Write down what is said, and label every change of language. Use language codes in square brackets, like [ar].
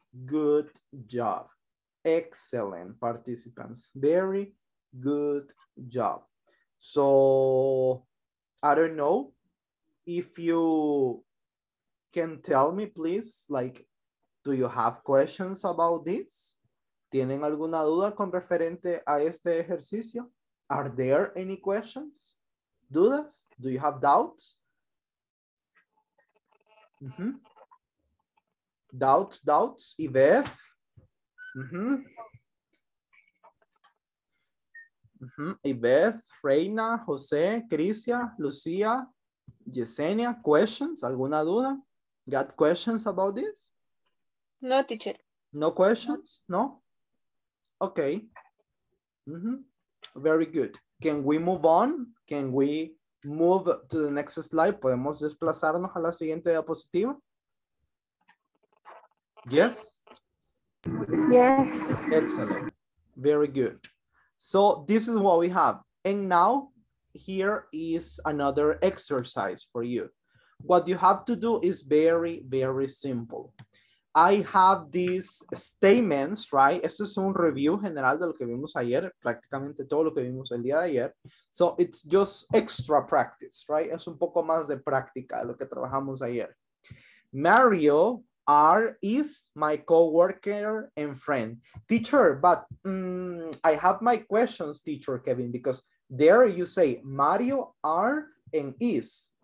[en] Good job. Excellent, participants. Very good job. So I don't know if you can tell me, please, like, do you have questions about this? [es] ¿Tienen alguna duda con referente a este ejercicio? [en] Are there any questions? [es] Dudas? [en] Do you have doubts? Mm-hmm. Doubts, doubts, Yves? Mm-hmm. Mm-hmm. Yves, Reina, José, Crisia, Lucía, Yesenia, questions? [es] ¿Alguna duda? [en] Got questions about this? No, teacher. No questions? No? Okay. Mm-hmm. Very good. Can we move on? Can we move to the next slide? [es] ¿Podemos desplazarnos a la siguiente diapositiva? [en] Yes? Yes. Excellent. Very good. So this is what we have. And now here is another exercise for you. What you have to do is very, very simple. I have these statements, right? [es] Esto es un review general de lo que vimos ayer, prácticamente todo lo que vimos el día de ayer. [en] So it's just extra practice, right? [es] Es un poco más de práctica de lo que trabajamos ayer. [en] Mario is my coworker and friend. Teacher, but I have my questions, teacher Kevin, because there you say Mario are and is.